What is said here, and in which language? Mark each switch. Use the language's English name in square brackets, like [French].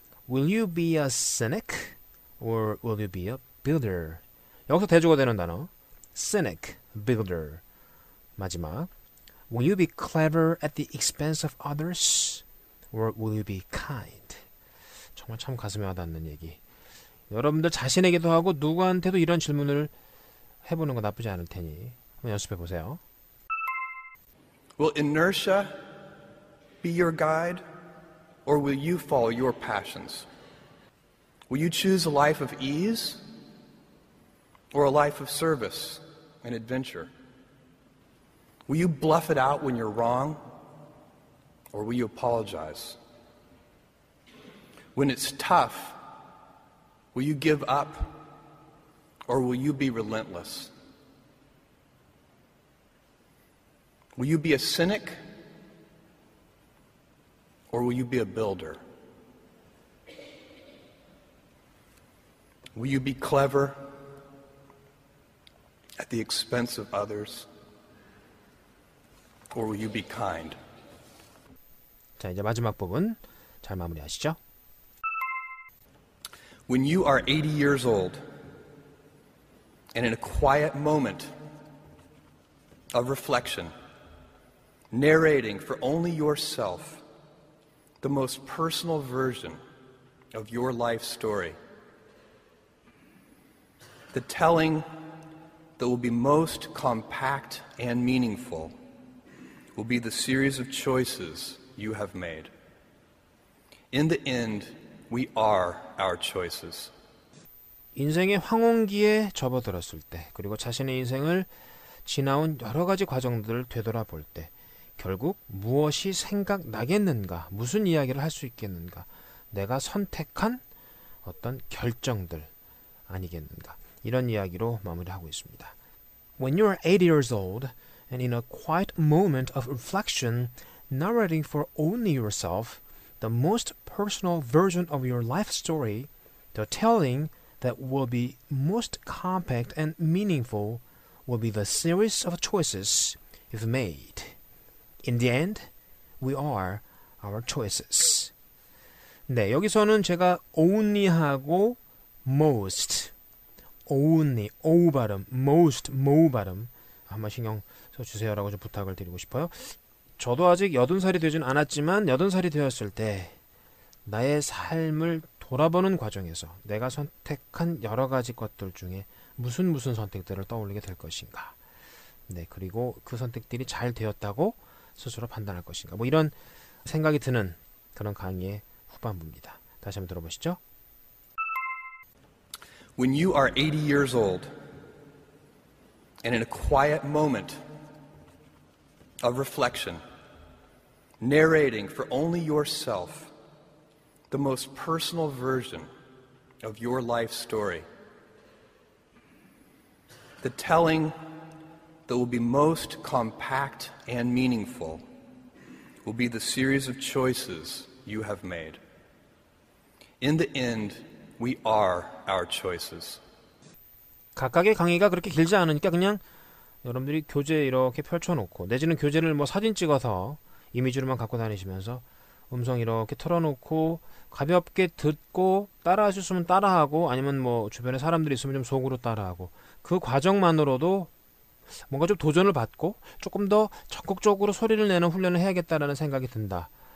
[English] Will you be a cynic, or will you be a builder? [Korean] 여기서 대조가 되는 단어, [English] cynic, builder. [Korean] 마지막, [English] will you be clever at the expense of others, or will you be kind? [Korean] 정말 참 가슴에 와닿는 얘기. 여러분들 자신에게도 하고 누구한테도 이런 질문을 해보는 거 나쁘지 않을 테니 한번 연습해 보세요. [English] Will inertia be your guide, or will you follow your passions? Will you choose a life of ease, or a life of service and adventure? Will you bluff it out when you're wrong, or will you apologize? When it's tough, will you give up, or will you be relentless? Will you be a cynic, or will you be a builder? Will you be clever at the expense of others, or will you be kind? [Korean] 자, 이제 마지막 부분 잘 마무리하시죠. [English] When you are 80 years old, and in a quiet moment of reflection, narrating for only yourself the most personal version of your life story, the telling that will be most compact and meaningful will be the series of choices you have made. In the end, we are our choices. [Korean] 인생의 황혼기에 접어들었을 때, 그리고 자신의 인생을 지나온 여러 가지 과정들을 되돌아볼 때, 결국 무엇이 생각나겠는가, 무슨 이야기를 할 수 있겠는가, 내가 선택한 어떤 결정들 아니겠는가, 이런 이야기로 마무리하고 있습니다. [English] When you are 80 years old, and in a quiet moment of reflection, narrating for only yourself, the most personal version of your life story, the telling that will be most compact and meaningful will be the series of choices you've made. In the end, we are our choices. [Korean] 네, 여기서는 제가 only 하고 most, only, o 발음, most, mo 발음 한번 신경 써주세요라고 좀 부탁을 드리고 싶어요. 저도 아직 80살이 되진 않았지만 80살이 되었을 때 나의 삶을 돌아보는 과정에서 내가 선택한 여러 가지 것들 중에 무슨 무슨 선택들을 떠올리게 될 것인가. 네, 그리고 그 선택들이 잘 되었다고 스스로 판단할 것인가. 뭐 이런 생각이 드는 그런 강의의 후반부입니다. 다시 한번 들어보시죠. [English] When you are 80 years old and in a quiet moment of reflection, narrating for only yourself the most personal version of your life story, the telling that will be most compact and meaningful will be the series of choices you have made. In the end, we are our choices. [Korean] 각각의 강의가 그렇게 길지 않으니까 그냥 여러분들이 교재 이렇게 펼쳐놓고, 내지는 교재를 뭐 사진 찍어서 이미지로만 갖고 다니시면서 음성 이렇게 틀어놓고 가볍게 듣고 따라하셨으면 따라하고, 아니면 뭐 주변에 사람들이 있으면 좀 속으로 따라하고, 그 과정만으로도 뭔가 좀 도전을 받고 조금 더 적극적으로 소리를 내는 훈련을 해야겠다라는 생각이 든다